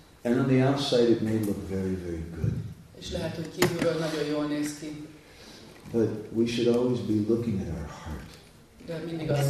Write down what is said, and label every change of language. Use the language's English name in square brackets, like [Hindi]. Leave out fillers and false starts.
[English] And on the outside it may look very, very good. [Hungarian] És lehet, hogy kívülről nagyon jól néz ki. [English] But we should always be looking at our heart.